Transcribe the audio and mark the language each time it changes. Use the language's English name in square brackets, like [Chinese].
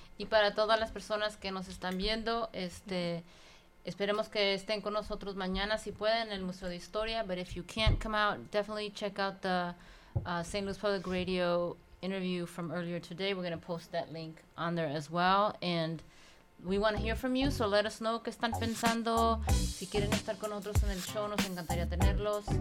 [Spanish] Y para todas las personas que nos están viendo, esperemos que estén con nosotros mañana, si pueden, en el Museo de Historia. [English] But if you can't come out, definitely check out the St. Louis Public Radio interview from earlier today. We're going to post that link on there as well. And we want to hear from you, so let us know [Spanish] qué están pensando. Si quieren estar con nosotros en el show, nos encantaría tenerlos.